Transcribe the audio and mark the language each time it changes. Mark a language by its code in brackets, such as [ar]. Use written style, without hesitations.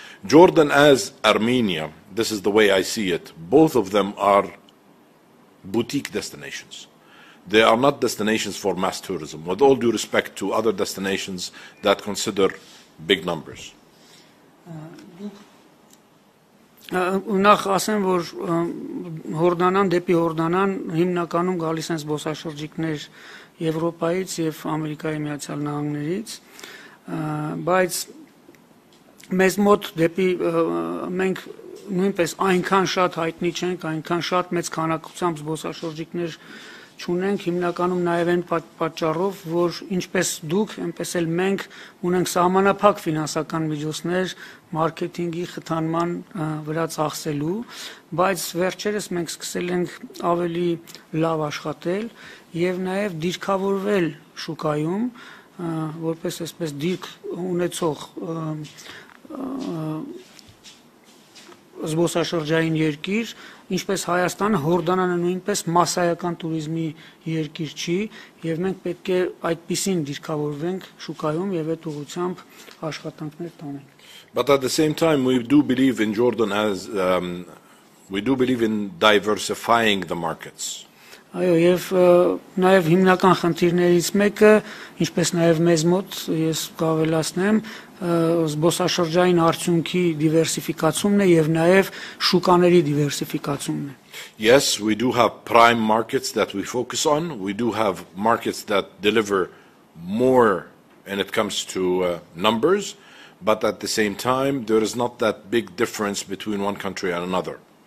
[en] Jordan as Armenia, this is the way I see it, both of them are boutique destinations. They are not destinations for mass tourism, with all due respect to other destinations that consider big numbers. [hy] Նախ ասեմ, որ Հորդանան, դեպի Հորդանան հիմնականում գալիս են զբոսաշրջիկներ Եվրոպայից եւ Ամերիկայի Միացյալ Նահանգներից, բայց մեզ մոտ դեպի մենք նույնպես այնքան շատ հայտնի չենք, այնքան շատ մեծ քանակությամբ զբոսաշրջիկներ չունենք, հիմնականում նաեւ այն պատճառով, որ ինչպես դուք, այնպես էլ մենք ունենք սահմանափակ ֆինանսական միջոցներ մարքեթինգի խթանման վրա ծախսելու, բայց վերջերս մենք սկսել ենք ավելի լավ աշխատել եւ նաեւ դիրքավորվել շուկայում որպես այսպես դիրք ունեցող զբոսաշրջային երկիր, ինչպես Հայաստանը, Հորդանանը նույնպես մասայական տուրիզմի երկիր չի, եւ մենք պետք է այդպիսին դիրքավորվենք շուկայում եւ այդ ուղությամբ աշխատանքներ տանենք. [en] But at the same time, we do believe in Jordan as we do believe in diversifying the markets. [hy] Այո, եւ նաեւ հիմնական խնդիրներից մեկը, ինչպես նաեւ մեզ մոտ, ես կավելացնեմ, զբոսաշրջային արդյունքի դիվերսիֆիկացումն է եւ նաեւ շուկաների դիվերսիֆիկացումն է։ [en] Yes, we do have prime markets that we focus on. We do have markets that deliver more when it comes to numbers, but at the same time there is not that big difference between one country and another.